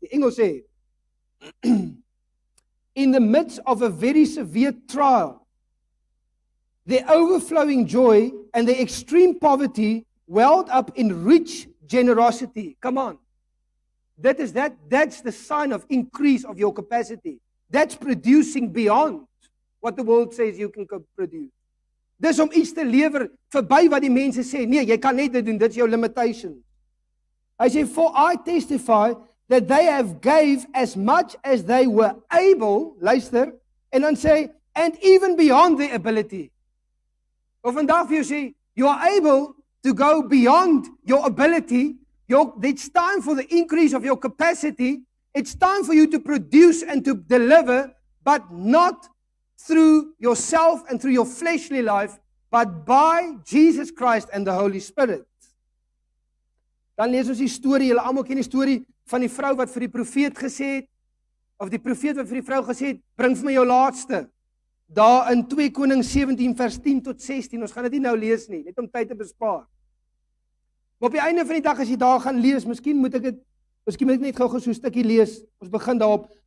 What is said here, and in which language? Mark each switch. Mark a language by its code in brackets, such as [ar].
[af] Die Engels sê [en] in the midst of a very severe trial, the overflowing joy and the extreme poverty welled up in rich generosity. Come on. That is that. That's the sign of increase of your capacity. That's producing beyond what the world says you can produce. [af] Dis om iets te lewer verby wat die mense sê, nee, jy kan net dit doen, dit is jou limitation. Hy sê, [en] for I testify that they have gave as much as they were able, [af] luister, en dan sê, [en] and even beyond their ability. [af] Of vandag vir jou sê, [en] you are able to go beyond your ability. It's time for the increase of your capacity. It's time for you to produce and to deliver, but not through yourself and through your fleshly life, but by Jesus Christ and the Holy Spirit. [af] Dan lees ons die storie, julle almal ken die storie van die vrou wat vir die profeet gesê het, of die profeet wat vir die vrou gesê het, bring vir my jou laaste. Daar in 2 Konings 17 vers 10 tot 16, ons gaan dit nie nou lees nie, net om tyd te bespaar. Op die einde van die dag, as jy daar gaan lees, miskien moet ek net gou so 'n stukkie lees. Ons begin daarop.